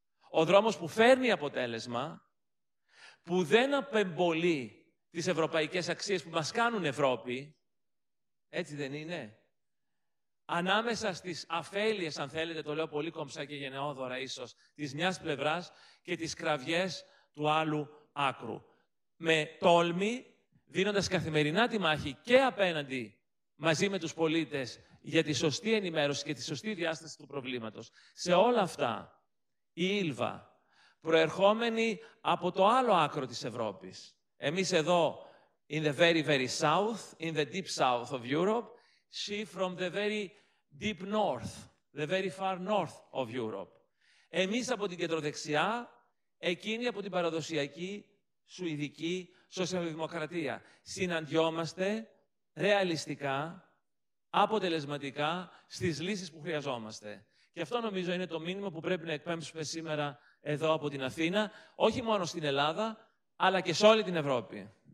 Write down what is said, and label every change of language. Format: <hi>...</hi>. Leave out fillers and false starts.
<el>Ο δρόμος που φέρνει αποτέλεσμα, που δεν απεμπολεί τις ευρωπαϊκές αξίες που μας κάνουν Ευρώπη, έτσι δεν είναι, ανάμεσα στις αφέλειες, αν θέλετε, το λέω πολύ κομψά και γενναιόδωρα ίσως, της μιας πλευράς και τις κραυγές του άλλου άκρου. Με τόλμη, δίνοντας καθημερινά τη μάχη και απέναντι μαζί με τους πολίτες για τη σωστή ενημέρωση και τη σωστή διάσταση του προβλήματος. Σε όλα αυτά, η Ήλβα, προερχόμενη από το άλλο άκρο της Ευρώπης, εμείς εδώ,</el> <en>in the very, very south, in the deep south of Europe, she from the very deep north, the very far north of Europe.</en> <el>Εμείς από την κεντροδεξιά, εκείνη από την παραδοσιακή, σουηδική, σοσιαλδημοκρατία. Συναντιόμαστε ρεαλιστικά, αποτελεσματικά, στις λύσεις που χρειαζόμαστε. Και αυτό νομίζω είναι το μήνυμα που πρέπει να εκπέμψουμε σήμερα εδώ από την Αθήνα, όχι μόνο στην Ελλάδα, αλλά και σε όλη την Ευρώπη.</el>